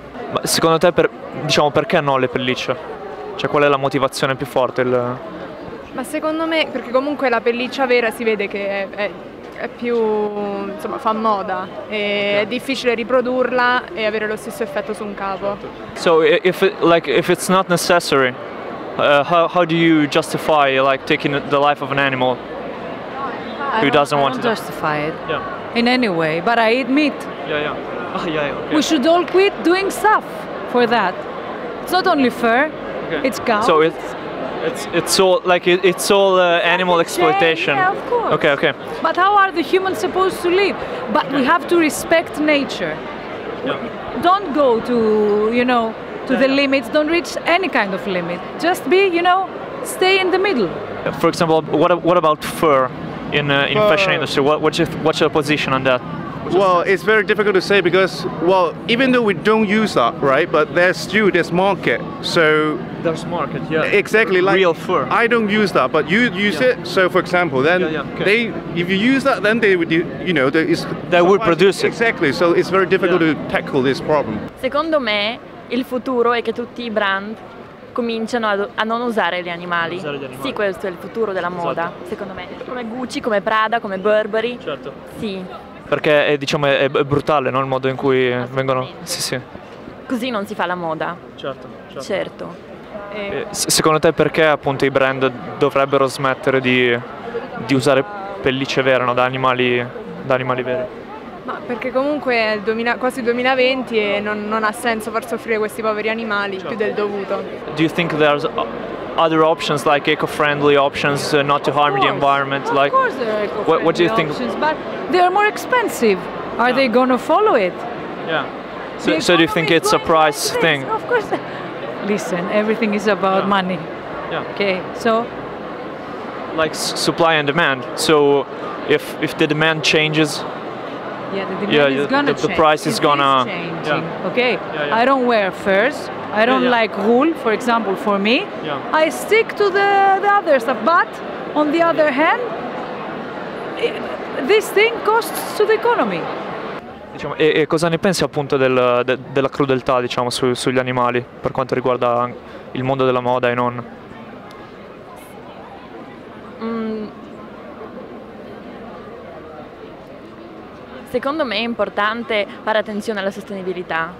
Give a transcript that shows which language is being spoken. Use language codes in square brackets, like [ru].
[it] Ma secondo te, perché no le pellicce? Cioè, qual è la motivazione più forte? Ma secondo me, perché comunque la pelliccia vera si vede che è più, insomma, fa moda e è difficile riprodurla e avere lo stesso effetto su un capo. [en] So if it's not necessary, how do you justify like taking the life of an animal who doesn't want to justify it? Yeah. In any way, but I eat meat. Yeah. Okay. We should all quit doing stuff for that. It's not only fur. Okay. It's cow. So it's all animal exploitation. Yeah, of course. Okay. But how are the humans supposed to live? But we have to respect nature. Yeah. Don't go to the limits. Don't reach any kind of limit. Just be, stay in the middle. For example, what about fur in the fashion industry? What's your position on that? Well, it's very difficult to say because, well, even though we don't use that, right, but there's market, so... There's market, yeah. Exactly, real like... Real fur. I don't use that, but you use it, so for example, then they... If you use that, then they would, They would produce it. Exactly, so it's very difficult to tackle this problem. [it] Secondo me, il futuro è che tutti I brand cominciano a non usare gli animali. Usare gli animali. Sì, questo è il futuro della moda, secondo me. Come Gucci, come Prada, come Burberry. Certo. Sì. Perché è brutale, no, il modo in cui vengono... Sì. Così non si fa la moda. Certo. Secondo te perché appunto i brand dovrebbero smettere di usare pellicce vere, no, da animali veri? Ma perché comunque è quasi 2020 e non ha senso far soffrire questi poveri animali più del dovuto. [en] Do you think there's other options, like eco-friendly options, not to harm the environment? Of course there are eco-friendly what do you think? Options, but they are more expensive. Are they going to follow it? Yeah. So do you think it's a price thing? Of course. Listen, everything is about money. Yeah. Okay, so? Like supply and demand. So if the demand changes... Yeah, the demand is going to change. The price is going to... Yeah. Okay, I don't wear furs. I don't like wool, for example, for me. Yeah. I stick to the other stuff. But on the other hand, this thing costs to the economy. [it] Diciamo, e cosa ne pensi appunto della crudeltà, diciamo, sugli animali per quanto riguarda il mondo della moda e non? Secondo me è importante fare attenzione alla sostenibilità.